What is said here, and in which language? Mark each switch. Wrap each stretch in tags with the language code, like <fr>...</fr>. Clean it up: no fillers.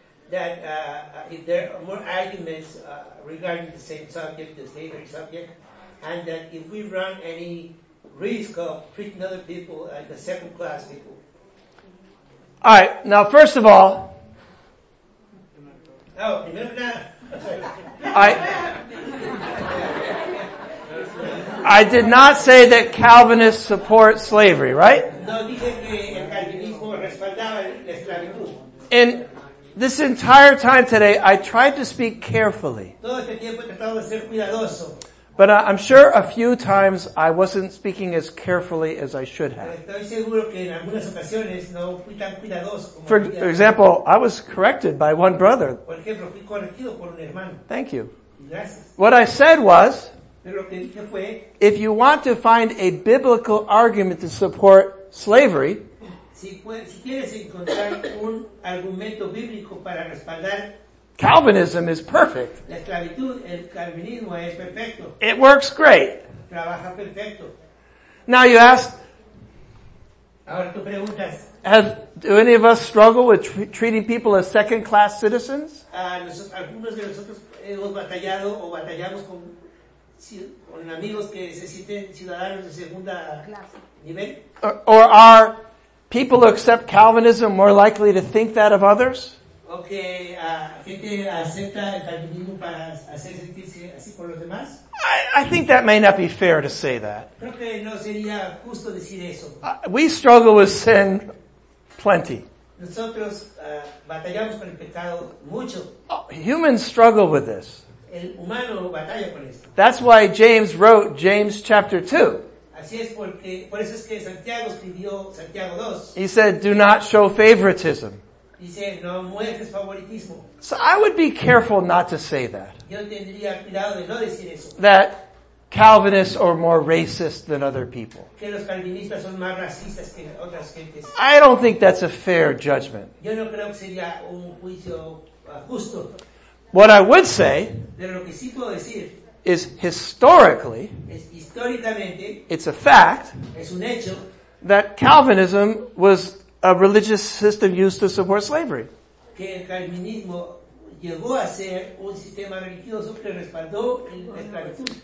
<en>That if there are more arguments regarding the same subject, the slavery subject, and that if we run any risk of treating other people as the second class people. All right, now first of all. Oh, remember that? I did not say that Calvinists support slavery, right?</en> <es>No, dije que el calvinismo respaldaba la esclavitud.</es> <en>In this entire time today, I tried to speak carefully.</en> <es>Todo este tiempo he tratado de ser cuidadoso.</es> <en>But I'm sure a few times I wasn't speaking as carefully as I should have.</en> <es>Estoy seguro que en algunas ocasiones no fui tan cuidadoso como</es> <en>For example, I was corrected by one brother.</en> <es>Por ejemplo, fui corregido por un hermano.</es> <en>Thank you.</en> <es>Gracias.</es> <en>What I said was,</en> <es>pero lo que dije fue,</es> <en>if you want to find a biblical argument to support slavery,</en> <es>si quieres encontrar un argumento bíblico para respaldar,</es> <en>Calvinism is perfect.</en> <es>La esclavitud, el calvinismo es perfecto.</es> <en>It works great.</en> <es>Trabaja perfecto.</es> <en>Now you ask,</en> <es>ahora tú preguntas,</es> <en>do any of us struggle with treating people as second class citizens?</en> <es>Algunos de nosotros hemos batallado o batallamos con amigos que se sienten ciudadanos de segunda clase. Nivel?</es> <en>Or are people who accept Calvinism more likely to think that of others?</en> <es>Okay, gente acepta el calvinismo para hacer sentirse así por los demás?</es> <en>I think that may not be fair to say that.</en> <es>Creo que no sería justo decir eso.</es> <en>We struggle with sin plenty.</en> <es>Nosotros batallamos con el pecado mucho.</es> <en>Humans struggle with this.</en> <es>El humano batalla con esto.</es> <en>That's why James wrote James chapter 2.</en> <es>Así es porque, por eso es que Santiago escribió Santiago 2.</es> <en>He said, do not show favoritism.</en> <es>Dice, no muestres favoritismo.</es> <en>So I would be careful not to say that.</en> <es>Yo tendría cuidado de no decir eso.</es> <en>That Calvinists are more racist than other people.</en> <es>Que los calvinistas son más racistas que otras gentes.</es> <en>I don't think that's a fair judgment.</en> <es>Yo no creo que sería un juicio justo.</es> <en>What I would say,</en> <es>pero lo que sí puedo decir,</es> <en>is historically,</en> <es>es históricamente,</es> <en>it's a fact,</en> <es>es un hecho,</es> <en>that Calvinism was a religious system used to support slavery.</en> <es>Que el calvinismo llegó a ser un sistema religioso que respaldó la esclavitud.</es>